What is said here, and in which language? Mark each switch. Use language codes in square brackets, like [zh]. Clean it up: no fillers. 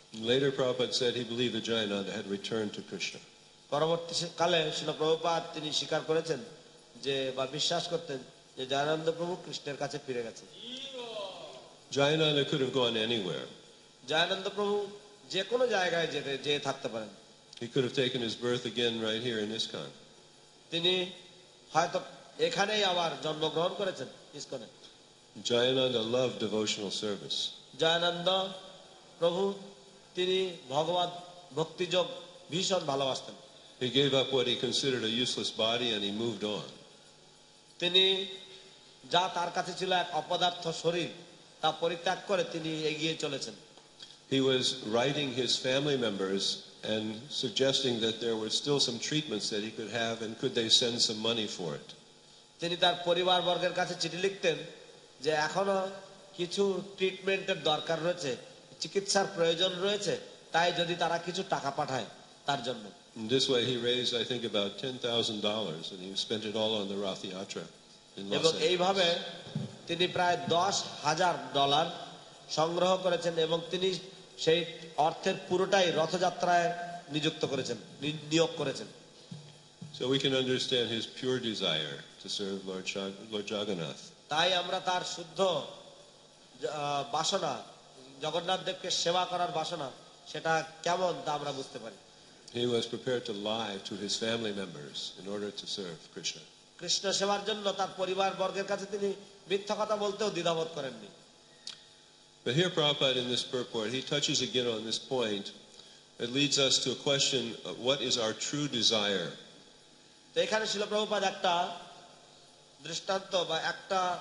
[en] Later Prabhupada said he believed that Jayananda had returned to Krishna. [bn] পরবর্তীকালে শ্রীল প্রভুপাদ তিনি স্বীকার করেছেন যে বা বিশ্বাস করতেন যে জয়ানন্দ প্রভু কৃষ্ণের কাছে ফিরে গেছেন। [en] Jayananda could have gone anywhere. [bn] Jayananda প্রভু যে কোনো জায়গায় যেতে থাকতে পারেন। [en] He could have taken his birth again right here in ISKCON. [bn] তিনি হয়তো এখানেই আবার জন্মগ্রহণ করেছেন ISKCON-এ। [en] Jayananda loved devotional service. [bn] Jayananda প্রভু তিনি ভগবান ভক্তিযোগ ভীষণ ভালোবাসতেন। [en] He gave up what he considered a useless body and he moved on. [bn] তিনি যা তার কাছে ছিল এক অপদার্থ শরীর তা পরিত্যাগ করে তিনি এগিয়ে চলেছেন। [en] He was writing his family members and suggesting that there were still some treatments that he could have and could they send some money for it. [bn] তিনি তার পরিবারবর্গের কাছে চিঠি লিখতেন যে এখনো কিছু ট্রিটমেন্টের দরকার রয়েছে, চিকিৎসার প্রয়োজন রয়েছে, তাই যদি তারা কিছু টাকা পাঠায় তার জন্য। [en] This way he raised I think about $10,000 and he spent it all on the Rath Yatra in Los Angeles. [bn] এবং এইভাবে তিনি প্রায় $10,000 সংগ্রহ করেছেন এবং তিনি সেই অর্থের পুরোটাই রথযাত্রায় নিযুক্ত করেছেন, নিয়োগ করেছেন। [en] So we can understand his pure desire to serve Lord Jagannath. [bn] তাই আমরা তার শুদ্ধ বাসনা, জগন্নাথ দেবকে সেবা করার বাসনা সেটা কেমন তা আমরা বুঝতে পারি। [en] He was prepared to lie to his family members in order to serve Krishna. [bn] Krishna সেবার জন্য তার পরিবার বর্গের কাছে তিনি মিথ্যা কথা বলতেও দ্বিধাবোধ করেননি। [en] But here Prabhupada in this purport, he touches again on this point. It leads us to a question, what is our true desire? [bn] এখানে শ্রীল প্রভুপাদ একটা দৃষ্টান্ত বা একটা